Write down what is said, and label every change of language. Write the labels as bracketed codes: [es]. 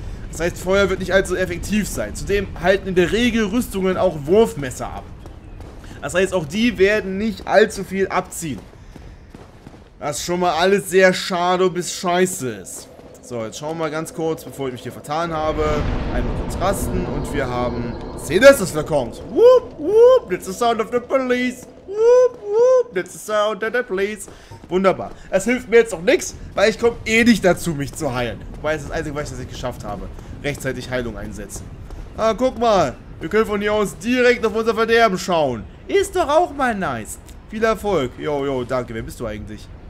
[de] Das heißt, Feuer wird nicht allzu effektiv sein. Zudem halten in der Regel Rüstungen auch Wurfmesser ab. Das heißt, auch die werden nicht allzu viel abziehen. Was schon mal alles sehr schade bis scheiße ist. So, jetzt schauen wir mal ganz kurz, bevor ich mich hier vertan habe. Einmal kurz rasten und wir haben... Seht ihr, dass das verkommt? [en] Whoop, whoop, that's the sound of the police. Whoop, whoop, that's the sound of the police. [de] Wunderbar. Es hilft mir jetzt auch nichts, weil ich komme eh nicht dazu, mich zu heilen. Wobei es das Einzige, was ich geschafft habe. Rechtzeitig Heilung einsetzen. Ah, guck mal. Wir können von hier aus direkt auf unser Verderben schauen. Ist doch auch mal nice. Viel Erfolg. Jo, jo, danke. Wer bist du eigentlich?